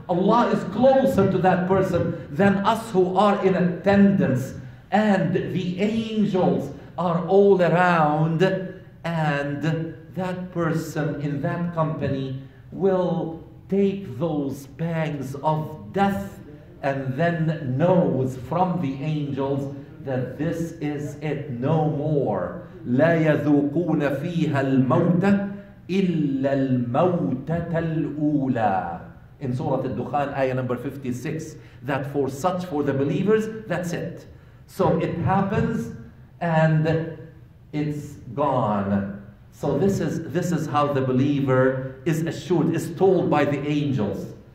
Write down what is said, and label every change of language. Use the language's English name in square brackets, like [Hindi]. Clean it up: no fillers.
[English] Allah is closer to that person than us who are in attendance, and the angels are all around, and that person in that company will take those pangs of death and then knows from the angels that this is it, no more. [Arabic] لا يذوقون فيها الموت إلا الموتة الأولى. [English] In Surah Al-Dukhan, ayah number 56, that for such, for the believers, that's it. So it happens and it's gone. So this is how the believer is assured, is told by the angels.